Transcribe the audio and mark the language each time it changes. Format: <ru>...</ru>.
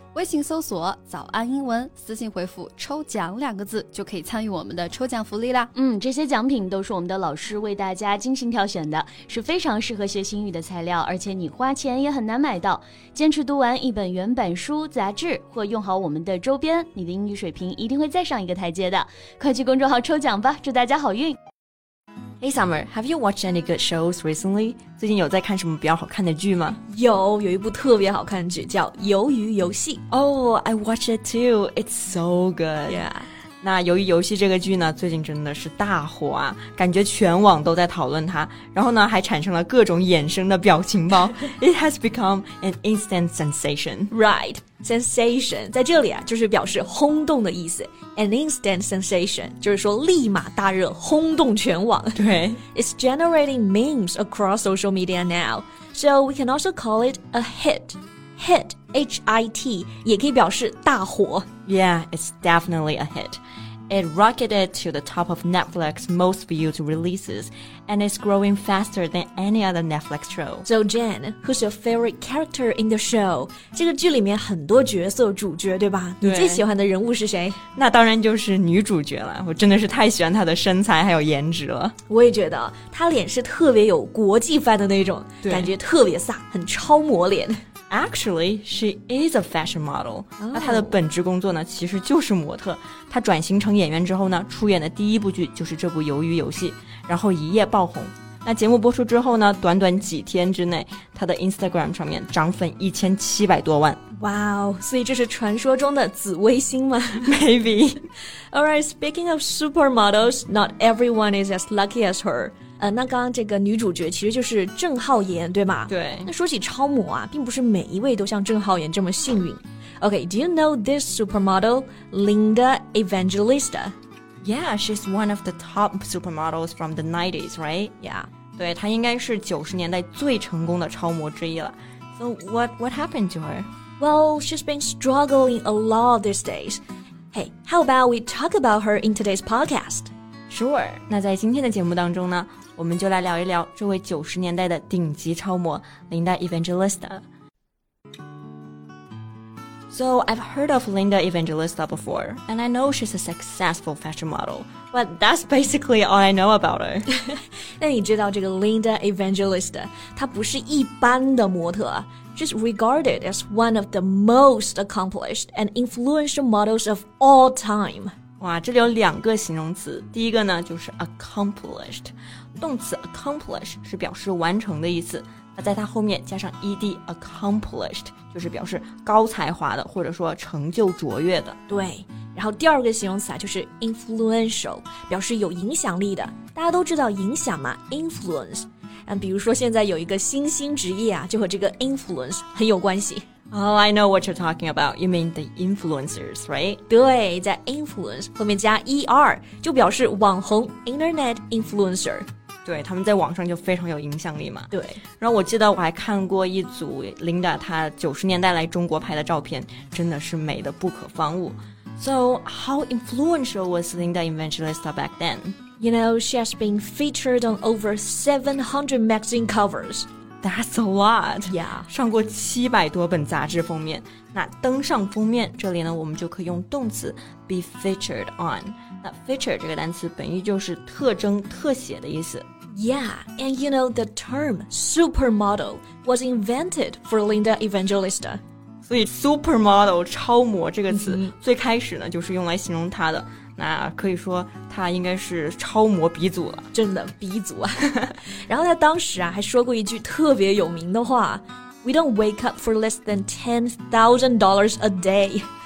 <zh>微信搜索早安英文，私信回复抽奖两个字，就可以参与我们的抽奖福利啦。嗯，这些奖品都是我们的老师为大家精心挑选的，是非常适合学习英语的材料，而且你花钱也很难买到。坚持读完一本原版书、杂志或用好我们的周边，你的英语水平一定会再上一个台阶的。快去公众号抽奖吧，祝大家好运。</zh> <en>Hey Summer, have you watched any good shows recently?</en> <zh>最近有在看什么比较好看的剧吗？有一部特别好看的剧叫《鱿鱼游戏》。</zh> <en>Oh, I watch it too. It's so good. Yeah.</en> <zh>那《鱿鱼游戏》这个剧呢，最近真的是大火啊，感觉全网都在讨论它，然后呢，还产生了各种衍生的表情包。</zh> <en>It has become an instant sensation. Right.</en> <zh>Sensation 在这里啊，就是表示轰动的意思。</zh> <en>An instant sensation</en> <zh>就是说立马大热，轰动全网。对</zh> <en>，It's generating memes across social media now. So we can also call it a hit.</en> <zh>Hit, H-I-T, 也可以表示大火。</zh> <en>Yeah, it's definitely a hit. It rocketed to the top of Netflix most viewed releases, and it's growing faster than any other Netflix show. So Jen, who's your favorite character in the show?</en> <zh>这个剧里面很多角色主角，对吧？对，你最喜欢的人物是谁？那当然就是女主角了，我真的是太喜欢她的身材还有颜值了。我也觉得，她脸是特别有国际范的那种，对，感觉特别飒，很超模脸。</zh> <en>Actually, she is a fashion model.、 Oh.</en> <zh>那她的本职工作呢，其实就是模特。她转型成演员之后呢，出演的第一部剧就是这部《鱿鱼游戏》，然后一夜爆红。那节目播出之后呢，短短几天之内，她的 Instagram 上面涨粉1700多万。哇哦，所以这是传说中的紫微星吗？</zh> <en>Maybe. All right, speaking of supermodels, not everyone is as lucky as her.</en> <zh>那刚刚这个女主角其实就是郑浩妍，对吗？对。那说起超模啊，并不是每一位都像郑浩妍这么幸运。</zh> <en>Okay, do you know this supermodel, Linda Evangelista? Yeah, she's one of the top supermodels from the 90s, right? Yeah.</en> <zh>对，她应该是90年代最成功的超模之一了。</zh> <en>So what happened to her? Well, she's been struggling a lot these days. Hey, how about we talk about her in today's podcast? Sure.</en> <zh>那在今天的节目当中呢，我们就来聊一聊这位90年代的顶级超模 Linda Evangelista.</zh> <en>So I've heard of Linda Evangelista before, and I know she's a successful fashion model, but that's basically all I know about her.</en> <zh>那你知道这个 Linda Evangelista, 她不是一般的模特。</zh> <en>She's regarded as one of the most accomplished and influential models of all time.</en> <zh>哇，这里有两个形容词，第一个呢就是 accomplished， 动词 accomplish 是表示完成的意思，那在它后面加上 ed accomplished 就是表示高才华的或者说成就卓越的。对，然后第二个形容词啊就是 influential， 表示有影响力的。大家都知道影响嘛， influence， 比如说现在有一个新兴职业啊，就和这个 influence 很有关系。</zh> <en>Oh, I know what you're talking about. You mean the influencers, right?</en> <zh>对，在 influence 后面加 er 就表示网红 internet influencer. 对，他们在网上就非常有影响力嘛。对。然后我记得我还看过一组 Linda 她90年代来中国拍的照片，真的是美得不可方物。</zh> <en>So, how influential was Linda Evangelista back then? You know, she has been featured on over 700 magazine covers. That's a lot. Yeah.</en> <zh>上过700多本杂志封面。那登上封面，这里呢，我们就可以用动词 be featured on. 那 feature 这个单词本意就是特征、特写的意思。</zh> <en>Yeah, and you know the term supermodel was invented for Linda Evangelista.</en> <zh>所以 supermodel 超模这个词、mm-hmm. 最开始呢就是用来形容她的。那可以说他应该是超模鼻祖了，真的鼻祖啊。然后他当时啊还说过一句特别有名的话</zh> <en>We don't wake up for less than $10,000 a day.</en>